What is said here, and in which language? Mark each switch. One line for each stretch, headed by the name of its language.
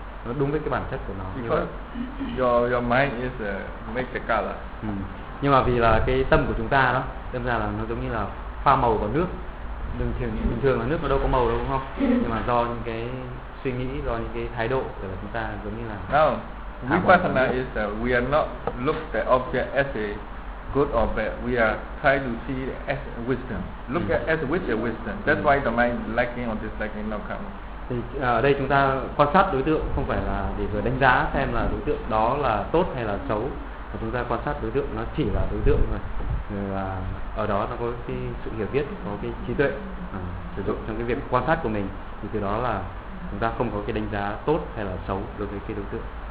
Vietnamese: Nó đúng với cái bản chất của nó.
English: Because your mind is make the color.
Vietnamese: Nhưng mà vì là cái tâm của chúng ta đó, đâm ra là nó giống như là pha màu vào nước. Bình thường là nước nó đâu có màu đâu, đúng không? Nhưng mà do những cái suy nghĩ, do những cái thái độ của chúng ta giống như là.
English: No. Vipassana is that we are not look the object as a good or bad. We are try to see it as wisdom. Look at as with the wisdom. That's why the mind liking or disliking not come.
Vietnamese: Thì ở đây chúng ta quan sát đối tượng không phải là để vừa đánh giá xem là đối tượng đó là tốt hay là xấu, mà chúng ta quan sát đối tượng nó chỉ là đối tượng thôi. Ở đó nó có cái sự hiểu biết, có cái trí tuệ sử dụng trong cái việc quan sát của mình, thì từ đó là chúng ta không có cái đánh giá tốt hay là xấu đối với cái đối tượng.